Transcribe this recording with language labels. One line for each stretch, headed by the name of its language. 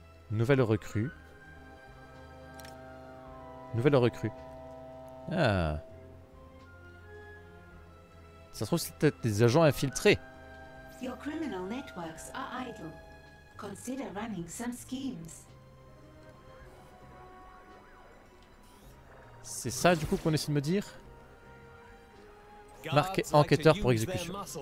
French: Nouvelle recrue. Nouvelle recrue. Ah. Ça se trouve c'est peut-être des agents infiltrés.
English: Your criminal networks are idle. Consider running some schemes.
French: C'est ça du coup qu'on essaie de me dire. Marquer enquêteur pour exécution.